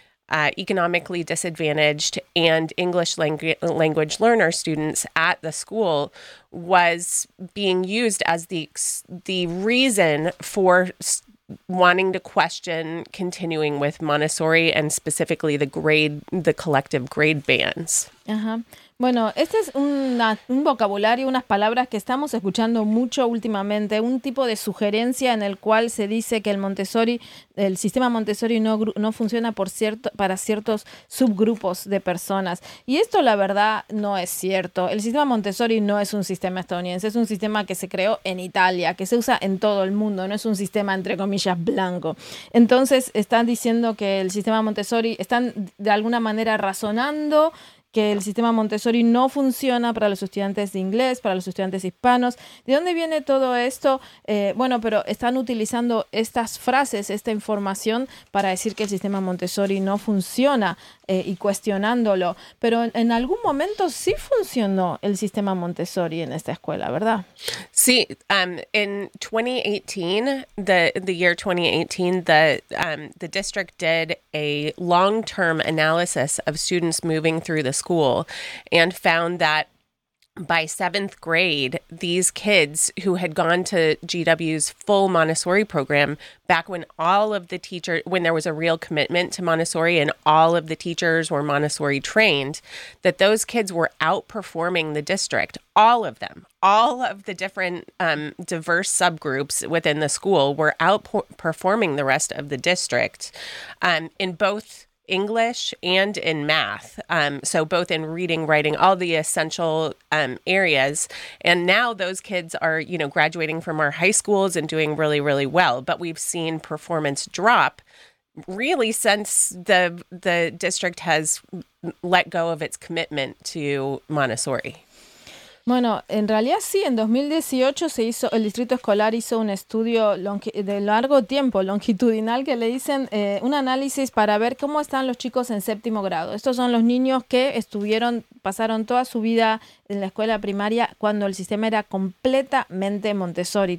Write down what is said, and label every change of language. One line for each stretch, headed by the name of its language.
English: economically disadvantaged and English language learner students at the school was being used as the reason for wanting to question continuing with Montessori and specifically the collective grade bans.
Spanish: Bueno, este es un vocabulario, unas palabras que estamos escuchando mucho últimamente, un tipo de sugerencia en el cual se dice que el sistema Montessori no funciona para ciertos subgrupos de personas. Y esto, la verdad, no es cierto. El sistema Montessori no es un sistema estadounidense, es un sistema que se creó en Italia, que se usa en todo el mundo, no es un sistema, entre comillas, blanco. Entonces, están diciendo que el sistema Montessori, están de alguna manera razonando que el sistema Montessori no funciona para los estudiantes de inglés, para los estudiantes hispanos. ¿De dónde viene todo esto? Bueno, pero están utilizando estas frases, esta información, para decir que el sistema Montessori no funciona y cuestionándolo. Pero en algún momento sí funcionó el sistema Montessori en esta escuela, ¿verdad? Sí.
English: In 2018, the year 2018, the district did a long-term analysis of students moving through the school and found that by seventh grade, these kids who had gone to GW's full Montessori program, back when all of the teachers, when there was a real commitment to Montessori and all of the teachers were Montessori trained, that those kids were outperforming the district. All of them, all of the different diverse subgroups within the school were outperforming the rest of the district in both English and in math. So both in reading, writing, all the essential areas. And now those kids are, you know, graduating from our high schools and doing really, really well. But we've seen performance drop really since the district has let go of its commitment to Montessori.
Spanish: Bueno, en realidad sí, en 2018 el distrito escolar hizo un estudio de largo tiempo, longitudinal, que le dicen un análisis para ver cómo están los chicos en séptimo grado. Estos son los niños que pasaron toda su vida en la escuela primaria cuando el sistema era completamente Montessori.